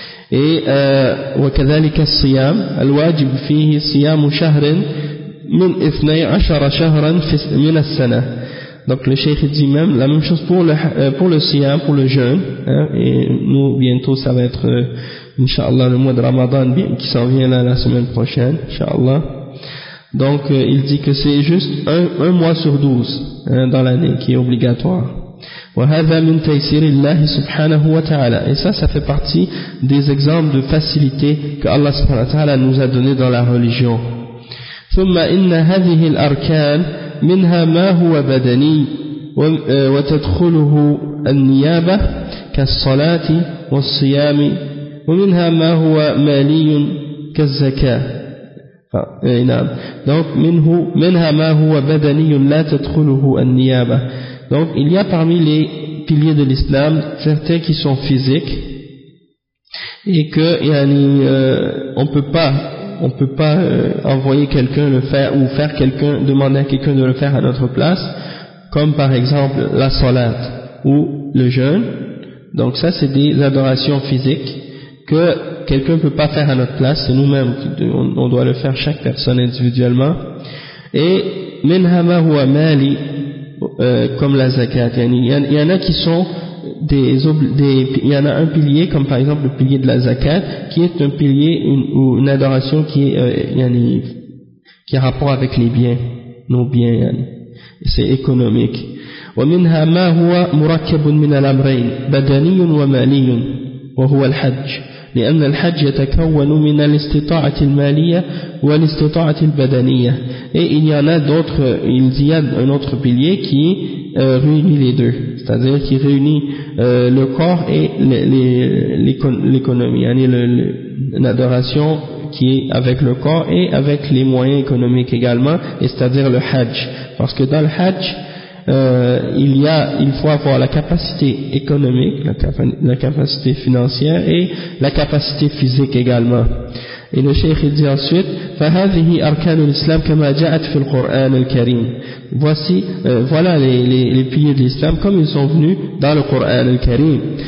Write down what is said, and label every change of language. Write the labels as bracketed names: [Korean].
[Arabic] Et وكذلك الصيام الواجب فيه صيام شهر من 12 شهرا من السنة. [French] Donc le cheikh dit même la même chose pour le siyam, pour le jeûne, hein, et nous bientôt ça va être inshallah le mois de Ramadan qui s'en vient là la semaine prochaine inshallah. Donc il dit que c'est juste un mois sur 12, hein, dans l'année qui est obligatoire. [Arabic] وهذا من تيسير الله سبحانه وتعالى. [French] Et ça fait partie des exemples de facilité que Allah subhanahu wa ta'ala nous a donné dans la religion. [Arabic] ثم ان هذه الاركان منها ما هو بدني وتدخله النيابة كالصلاة والصيام ومنها ما هو مالي كالزكاة. نعم. Donc منها ما هو بدني لا تدخله النيابة. [French] Donc il y a parmi les piliers de l'islam certains qui sont physiques et que on peut pas envoyer quelqu'un le faire ou faire quelqu'un demander à quelqu'un de le faire à notre place, comme par exemple la salat ou le jeûne. Donc ça c'est des adorations physiques que quelqu'un peut pas faire à notre place, c'est nous-mêmes on doit le faire, chaque personne individuellement. Et [Arabic] minhama huwa mali, [French] comme la zakat, il y en a un pilier, comme par exemple le pilier de la zakat, qui est un pilier ou une adoration qui est qui a rapport avec les biens, nos biens, c'est économique. [Arabic] ومنها ما هو مركب من الأمرين بدني ومالي وهو الحج لأن الحج يتكون من الاستطاعة المالية والاستطاعة البدنية. [French] Et il y en a d'autres, il y a un autre pilier qui réunit les deux, c'est-à-dire qui réunit le corps et l'économie, l'adoration qui est avec le corps et avec les moyens économiques également, c'est-à-dire le hajj. Parce que dans le hajj, il faut avoir la capacité économique, la capacité financière et la capacité physique également. Et le cheikh dit ensuite, [Arabic] فهذه أركان الإسلام كما جاءت في القرآن الكريم. [French] Voilà les piliers de l'islam comme ils sont venus dans le Coran al-Karim.